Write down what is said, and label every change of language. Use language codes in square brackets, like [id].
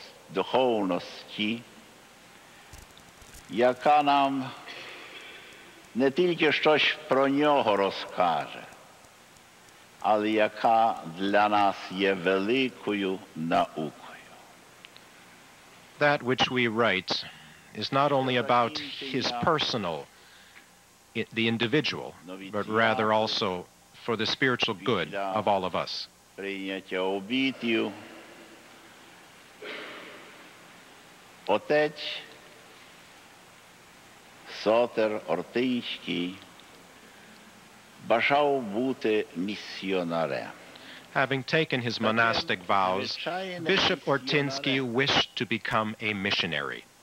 [uk] Духовності, яка нам не тільки щось про нього розкаже, але яка для нас є великою наукою. [en] That which we write is not only about his personal, the individual, but rather also for the spiritual good of all of us. [uk] Прийняття обітю. Отець Сотер Ортинський бажав бути місіонарем. [en] Having taken his monastic vows, Bishop Ortynsky wished to become a missionary.